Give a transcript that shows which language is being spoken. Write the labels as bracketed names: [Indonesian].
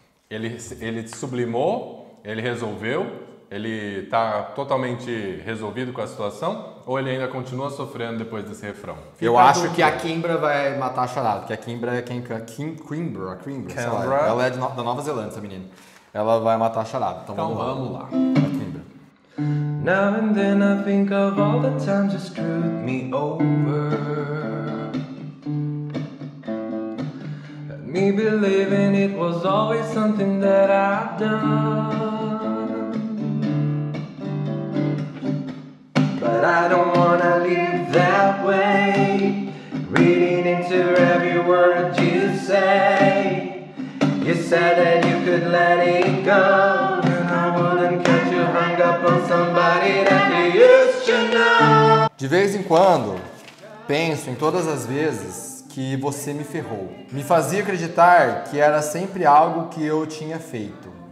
[Portuguese] Ele sublimou... Ele resolveu? Ele tá totalmente resolvido com a situação? Ou ele ainda continua sofrendo depois desse refrão? Fica eu acho que a Kimbra vai matar a charada, porque a Kimbra é quem... Kimbra. Ela é da Nova Zelândia, essa menina. Ela vai matar a charada. Então, vamos lá. A Kimbra. [English] Now and then I think of all the times you screwed me over. Me believing it was always something that I've done. But I don't wanna live that way. Reading into every word you say. You said that you could let it go. And I wouldn't get you hung up on somebody that you used to know. [Portuguese] De vez em quando, penso em todas as vezes que você me ferrou. Me fazia acreditar que era sempre algo que eu tinha feito.